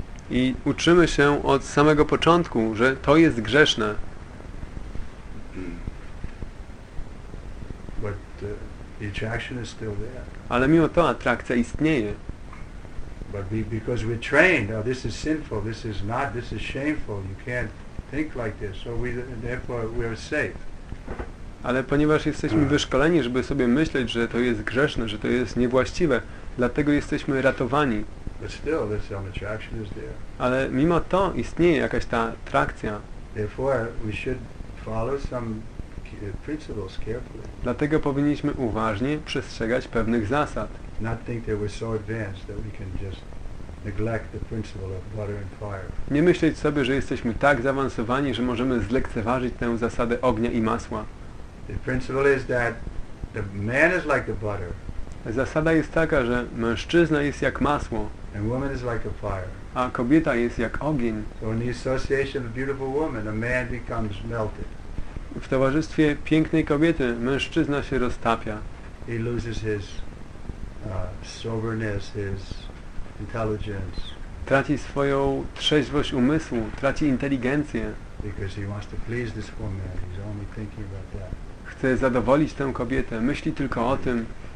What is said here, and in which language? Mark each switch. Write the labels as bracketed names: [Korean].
[Polish] I uczymy się od samego początku, że to jest grzeszne. [English] But the attraction is still there. [Polish] Ale mimo to atrakcja istnieje. [English] But because we're trained, oh, this is sinful, this is not, this is shameful. You can't think like this. So we therefore we are safe. [Polish] Ale ponieważ jesteśmy wyszkoleni, żeby sobie myśleć, że to jest grzeszne, że to jest niewłaściwe, dlatego jesteśmy ratowani. [English] But still, this attraction is there. [Polish] Ale mimo to istnieje jakaś ta atrakcja. [English] Therefore, we should follow some principles carefully. [Polish] Dlatego powinniśmy uważnie przestrzegać pewnych zasad. [English] Not think that we're so advanced that we can just neglect the principle of water and fire. [Polish] Nie myśleć sobie, że jesteśmy tak zaawansowani, że możemy zlekceważyć tę zasadę ognia i masła. [English] The principle is that the man is like the butter. [Polish] Zasada jest taka, że mężczyzna jest jak masło, [English] and woman is like a fire. [Polish] A kobieta jest jak ogień. [English] So in the association of a beautiful woman, a man becomes melted. [Polish] W towarzystwie pięknej kobiety mężczyzna się roztapia. [English] He loses his soberness, his intelligence. [Polish] Traci swoją trzeźwość umysłu, traci inteligencję. [English] Because he wants to please this woman, he's only thinking about that. [Polish] Chce zadowolić tę kobietę, myśli tylko o tym.